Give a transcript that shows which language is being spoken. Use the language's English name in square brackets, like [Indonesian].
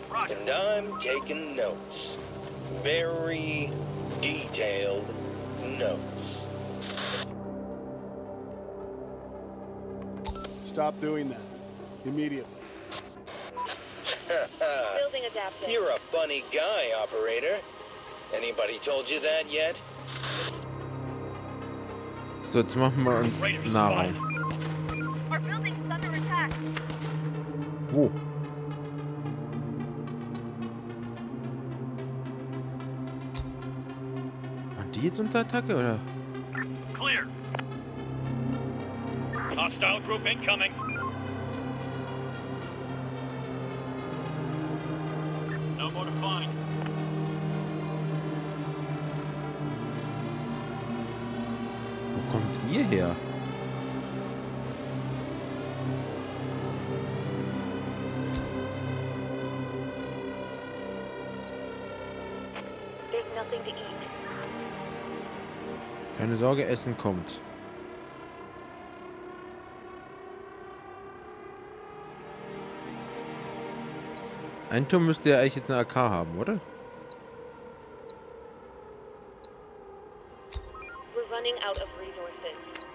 [English] And I'm taking notes. Very detailed notes. Stop doing that. Immediately. Building adapted. You're a funny guy, operator. Anybody told you that yet? [German] So, jetzt machen wir uns Nahrung. [English] Our building's under attack. [German] Wo? Waren die jetzt unter Attacke, oder? [English] Clear. Hostile group incoming. [German] Wo kommt ihr her? [English] There's nothing to eat. [German] Keine Sorge, Essen kommt. Ein Turm müsste ja eigentlich jetzt eine AK haben, oder? [English] We're running out of resources.